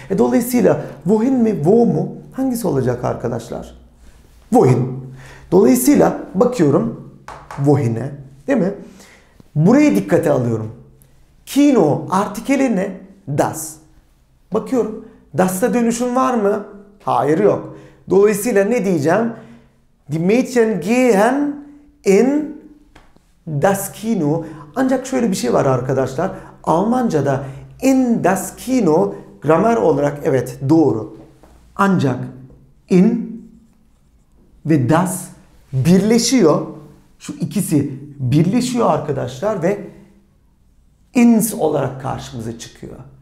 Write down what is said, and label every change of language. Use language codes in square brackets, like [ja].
[tr] Dolayısıyla wohin mi wo mu? Hangisi olacak arkadaşlar? Wohin. Dolayısıyla bakıyorum wohin'e, değil mi? Buraya dikkate alıyorum. Kino artikeli ne? Das. Bakıyorum. Das'ta dönüşüm var mı? Hayır, yok. Dolayısıyla ne diyeceğim? [de] Die Mädchen gehen in das Kino. [tr] Ancak şöyle bir şey var arkadaşlar. Almanca'da [de] in das Kino [tr] gramer olarak evet doğru. Ancak in ve das birleşiyor. Şu ikisi birleşiyor arkadaşlar ve ins olarak karşımıza çıkıyor.